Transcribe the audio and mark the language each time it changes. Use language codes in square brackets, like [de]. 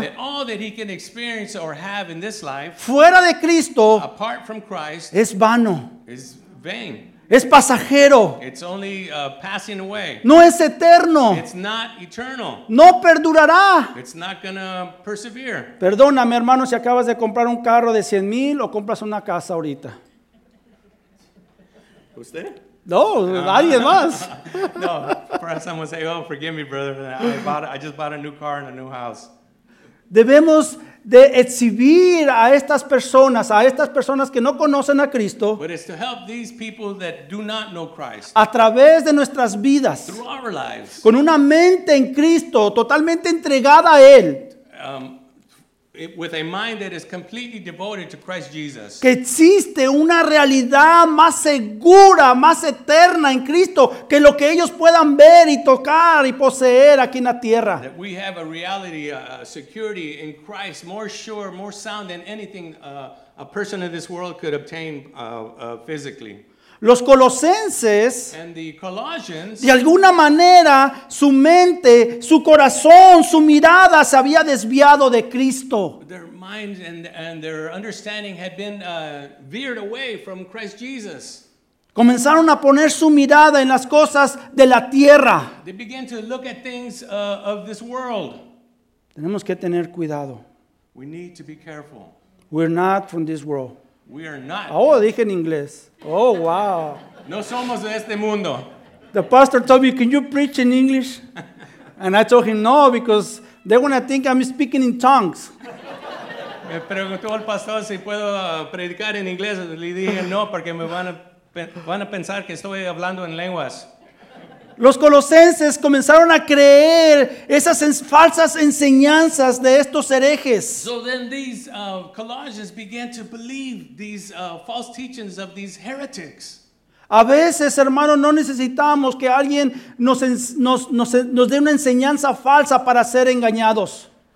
[en] that all that he can experience or have in this life, [es] fuera de Cristo, [en] apart from Christ, [es] es vano, [en] is vain, [es] es pasajero, [en] it's only passing away, [es] no es eterno, [en] it's not eternal, [es] no perdurará, [en] it's not gonna persevere. [es] Perdóname, hermano, si acabas de comprar un carro de 100 mil o compras una casa ahorita. ¿Usted? No, nadie más. [en] No, perhaps someone would say, oh, forgive me, brother. I just bought a new car and a new house. [es] Debemos de exhibir a estas personas que no conocen a Cristo. [en] But it's to help these people that do not know Christ. [es] A través de nuestras vidas. [en] Through our lives. [es] Con una mente en Cristo, totalmente entregada a Él. [en] With a mind that is completely devoted to Christ Jesus. [es] Que existe una realidad más segura, más eterna en Cristo que lo que ellos puedan ver y tocar y poseer aquí en la tierra. [en] That we have a reality, a security in Christ, more sure, more sound than anything a person in this world could obtain physically. [es] Los colosenses, [en] and the Colossians, [es] de alguna manera, su mente, su corazón, su mirada se había desviado de Cristo. [en] Their minds and their understanding had been veered away from Christ Jesus. [es] Comenzaron a poner su mirada en las cosas de la tierra. [en] They began to look at things of this world. [es] Tenemos que tener cuidado. [en] We need to be careful. We're not from this world. We are not. [es] Oh, dije en inglés. Oh, wow. No somos de este mundo. [en] The pastor told me, can you preach in English? And I told him, no, because they're going to think I'm speaking in tongues. [es] Me preguntó el pastor si puedo predicar en inglés. Le dije, no, porque me van a pensar que estoy hablando en lenguas. Los colosenses comenzaron a creer esas falsas enseñanzas de estos herejes. [en] So then these Colossians began to believe these false teachings of these heretics. [es] A veces, hermano, no necesitamos que alguien nos dé una enseñanza falsa para ser engañados.